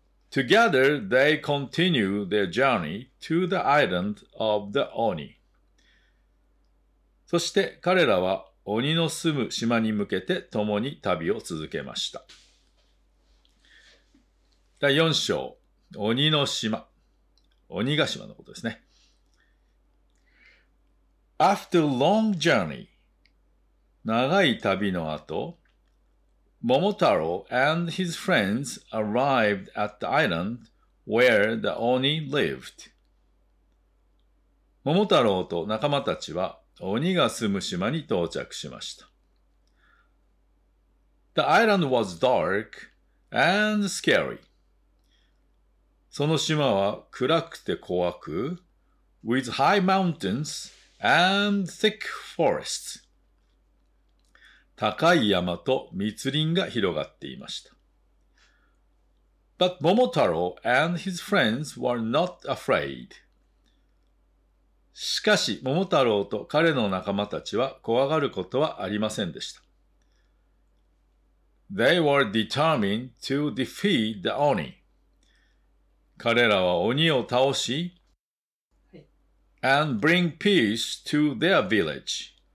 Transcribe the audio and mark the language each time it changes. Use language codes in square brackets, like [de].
[en] Together, they continue their journey to the island of the Oni. [ja] そして彼らは鬼の住む島に向けて共に旅を続けました。第4章、鬼の島。鬼ヶ島のことですね。 [en] After long journey, [ja] 長い旅の後、 [en] Momotaro and his friends arrived at the island where the Oni lived. [ja] Momotaro と仲間たちは鬼が住む島に到着しました。 [en] The island was dark and scary. [ja] その島は暗くて怖く、 [en] with high mountains and thick forests. [ja] 高い山と密林が広がっていました。 [en] But Momotaro and his friends were not afraid. [ja] しかし、桃太郎と彼の仲間たちは怖がることはありませんでした。 [en] They were determined to defeat the Oni. [ja] 彼らは鬼を倒し、 [en] and bring peace to their village.